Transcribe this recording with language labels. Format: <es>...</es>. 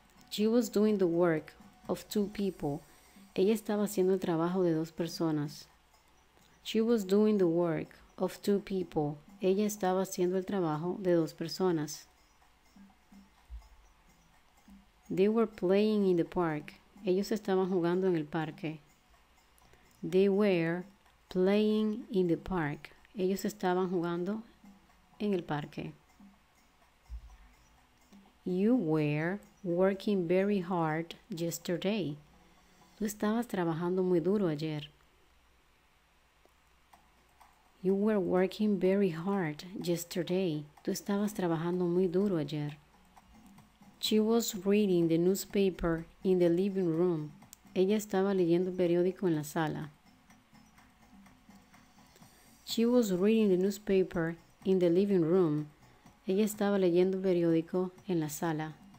<en>She was doing the work of two people.</en> <es>Ella estaba haciendo el trabajo de dos personas.</es> <en>She was doing the work of two people.</en> <es>Ella estaba haciendo el trabajo de dos personas.</es> <en>They were playing in the park.</en> <es>Ellos estaban jugando en el parque.</es> <en>They were playing in the park.</en> <es>Ellos estaban jugando en el parque.</es> <en>You were working very hard yesterday.</en> <es>Tú estabas trabajando muy duro ayer.</es> <en>You were working very hard yesterday.</en> <es>Tú estabas trabajando muy duro ayer.</es> <en>She was reading the newspaper in the living room.</en> <es>Ella estaba leyendo el periódico en la sala.</es> <en>She was reading the newspaper in the living room.</en> <es>Ella estaba leyendo el periódico en la sala.</es>